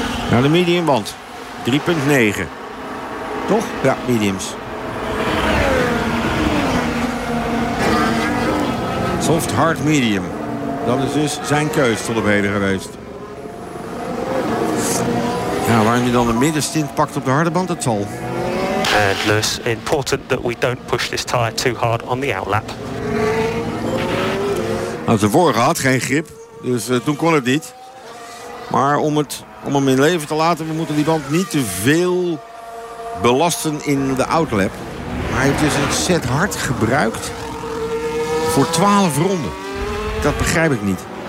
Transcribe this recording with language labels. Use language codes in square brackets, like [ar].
[nl] Naar de mediumband. 3,9. Toch? Ja, mediums. Soft, hard, medium. Dat is dus zijn keus tot op heden geweest. Ja, waarom hij dan een middenstint pakt op de harde band, dat zal. [en] And Lewis, important that we don't push this tire too hard on the outlap. [nl] Nou, de vorige had geen grip, dus toen kon het niet. Maar om hem in leven te laten, we moeten die band niet te veel belasten in de outlap. Maar hij heeft dus een set hard gebruikt voor 12 ronden. Dat begrijp ik niet.